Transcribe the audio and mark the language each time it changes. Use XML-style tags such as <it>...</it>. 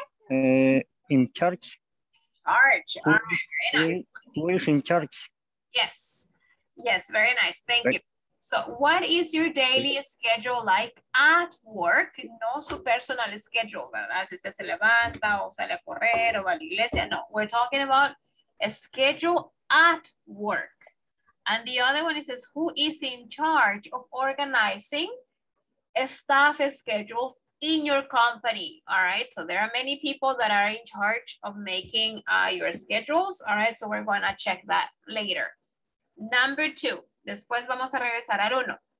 <en>In charge. Charge. All right, very nice. Who is in charge? Yes. Yes, very nice. Thank you. So, what is your daily schedule like at work?</en> <es>No su</es> <en>personal schedule,</en> <es>¿verdad? Si usted se levanta o sale a correr o va a la iglesia.</es> <en>No, we're talking about a schedule at work. And the other one is, who is in charge of organizing staff schedules in your company? All right, so there are many people that are in charge of making your schedules. All right, so we're gonna check that later. Number two,</en> <es>después vamos a regresar al uno.</es>